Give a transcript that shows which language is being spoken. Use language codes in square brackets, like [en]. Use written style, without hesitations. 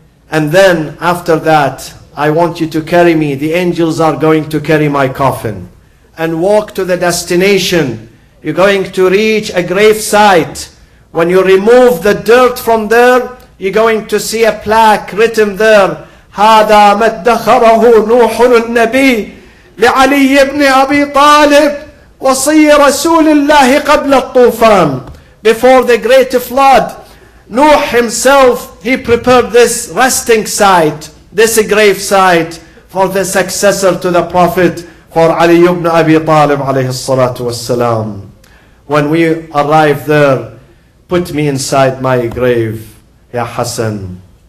[en] And then after that, I want you to carry me. The angels are going to carry my coffin and walk to the destination. You're going to reach a grave site. When you remove the dirt from there, you're going to see a plaque written there. [ar] هَذَا مَدَّخَرَهُ نُوحٌ النَّبِيُّ لِعَلِيِّ بْنِ أَبِي طَالِبٍ وَصِيِّ رَسُولِ اللَّهِ قَبْلَ الطُّوفَانِ. [en] Before the great flood, Noah himself, he prepared this resting site, this grave site, for the successor to the Prophet, for Ali ibn Abi Talib alayhi salatu wassalam. When we arrived there, put me inside my grave, Ya Hassan.